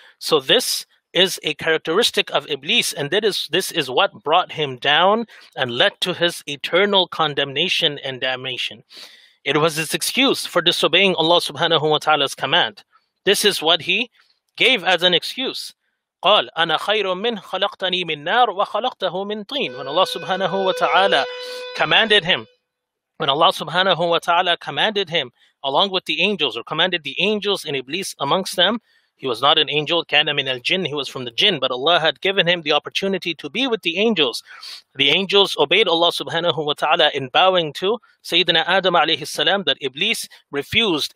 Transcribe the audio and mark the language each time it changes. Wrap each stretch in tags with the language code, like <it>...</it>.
<en>So this is a characteristic of Iblis, and this is what brought him down and led to his eternal condemnation and damnation. It was his excuse for disobeying Allah subhanahu wa ta'ala's command. This is what he gave as an excuse.</en> <ar>قال انا خير من خلقتني من نار وخلقته من طين.</ar> <en>When Allah subhanahu wa ta'ala commanded him, when Allah subhanahu wa ta'ala commanded him along with the angels, or commanded the angels and Iblis amongst them, he was not an angel,</en> <ar>كان من الجن,</ar> <en>he was from the jinn, but Allah had given him the opportunity to be with the angels. The angels obeyed Allah subhanahu wa ta'ala in bowing to Sayyidina Adam alayhi salam, that Iblis refused.</en>